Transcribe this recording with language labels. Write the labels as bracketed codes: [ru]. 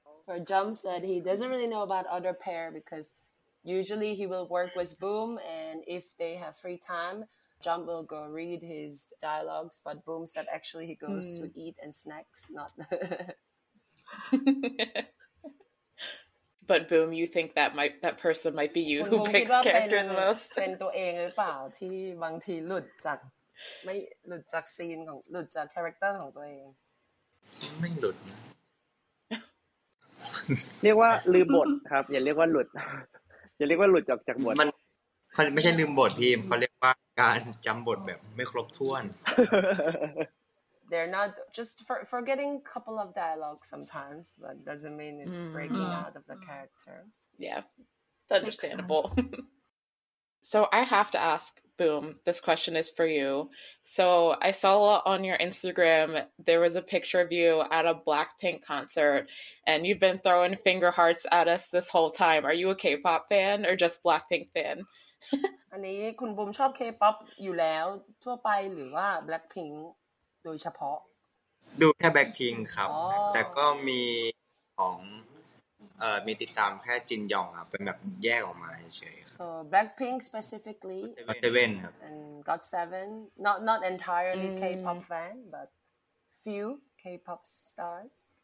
[en] For Jump said he doesn't really know about other pair because usually he will work with Boom and if they have free time. Jump will go read his dialogues, but Boom said actually he goes to eat and snacks, not... But Boom, you think that might, that person might be you who picks character the most? [th] เป็นตัวเองหรือเปล่าที่บางทีหลุดจากไม่หลุดจากซีนของหลุดจากคาแรคเตอร์ของตัวเอง ไม่หลุด เรียกว่าลืมบทครับอย่าเรียกว่าหลุดอย่าเรียกว่าหลุดจากบท มันไม่ใช่ลืมบทพี่เขาเรียกว่าการจำบทแบบไม่ครบถ้วน [en] They're not just forgetting a couple of dialogues sometimes, but doesn't mean it's breaking out of the character. Yeah, understandable. So I have to ask, Boom, this question is for you. So I saw on your Instagram, there was a picture of you at a Blackpink concert, and you've been throwing finger hearts at us this whole time. Are you a K-pop fan or just Blackpink fan? [th] อันนี้คุณบูมชอบเคป๊อปอยู่แล้วทั่วไปหรือว่า Blackpink โดยเฉพาะ ดูแค่ Blackpink ครับแต่ก็มีของมีติดตามแค่จินยองครับเป็นแบบแยกออกมาเฉยๆ [en] So Blackpink specifically [th] GOT7 ครับ [en] and GOT7 not entirely K-pop fan but few K-pop stars